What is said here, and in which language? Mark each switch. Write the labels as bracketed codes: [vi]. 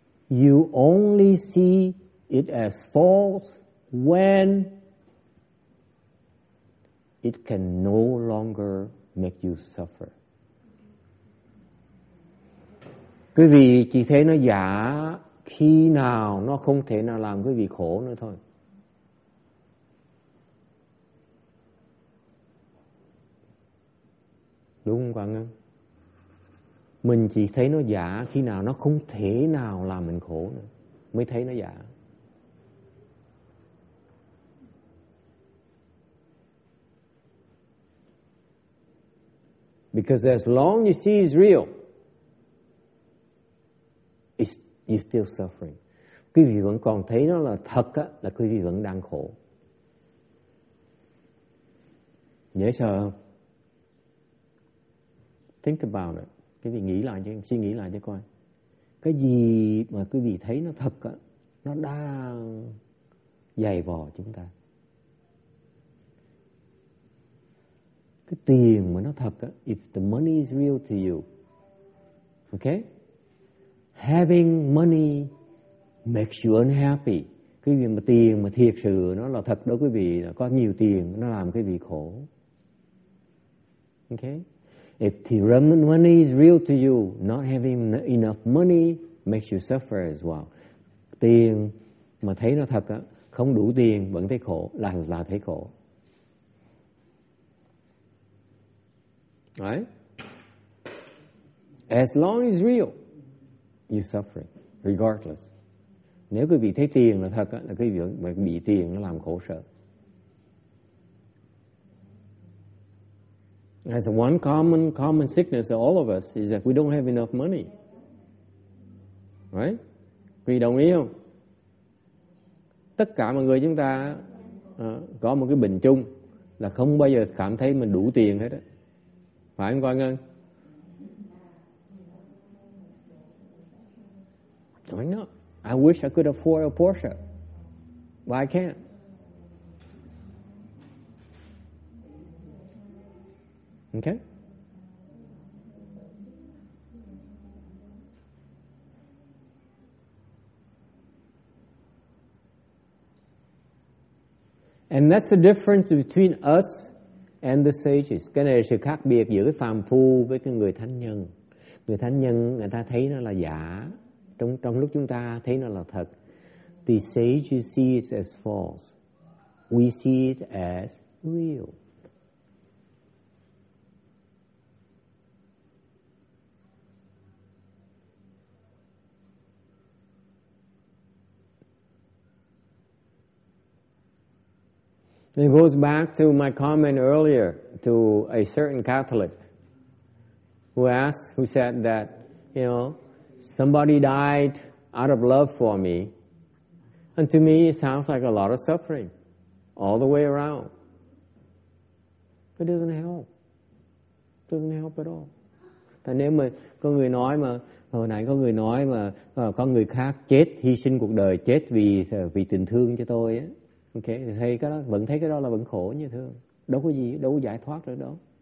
[en] You only see it as false when it can no longer make you suffer. [vi] Quý vị chỉ thấy nó giả khi nào nó không thể nào làm quý vị khổ nữa thôi. Đúng không, Quang Ngân? Mình chỉ thấy nó giả khi nào nó không thể nào làm mình khổ nữa, mới thấy nó giả. [en] Because as long you see it's real, you're still suffering. [vi] quý vị vẫn còn thấy nó là thật á, là quý vị vẫn đang khổ. Dễ sợ không? [en] Think about it. [vi] Quý vị nghĩ lại cho, suy nghĩ lại cho coi. Cái gì mà quý vị thấy nó thật á, nó đang giày vò chúng ta. Cái tiền mà nó thật á, [en] if the money is real to you, okay? Having money makes you unhappy. [vi] Cái việc mà tiền mà thiệt sự nó là thật đó quý vị, là có nhiều tiền nó làm quý vị khổ. [en] Okay? If the money is real to you, not having enough money makes you suffer as well. [vi] Tiền mà thấy nó thật á, không đủ tiền vẫn thấy khổ, là thấy khổ. [en] Right? As long as real, you suffering, regardless. [vi] Nếu quý vị thấy tiền là thật á, là quý vị bị tiền nó làm khổ sở. [en] As one common sickness of all of us is that we don't have enough money. [vi] Right? Quý vị đồng ý không? Tất cả mọi người chúng ta có một cái bình chung là không bao giờ cảm thấy mình đủ tiền hết á. Phải không, Quang Ngân? [en] Why not? I wish I could afford a Porsche, but I can't. Okay? And that's the difference between us and the sages. [vi] Cái này là sự khác biệt giữa cái phàm phu với cái người thánh nhân. Người thánh nhân người ta thấy nó là giả, trong lúc chúng ta thấy nó là thật. [en] The sage sees it as false. We see it as real. It goes back to my comment earlier to a certain Catholic who said that, you know, somebody died out of love for me. And to me, it sounds like a lot of suffering all the way around. It doesn't help. It doesn't help at all. [vi] Tại nếu mà có người nói mà, hồi nãy có người nói mà, có người khác chết, hy sinh cuộc đời, chết vì tình thương cho tôi á. Okay, thì cái đó, vẫn thấy cái đó là vẫn khổ như thường. Đâu có gì, đâu có giải thoát được đâu.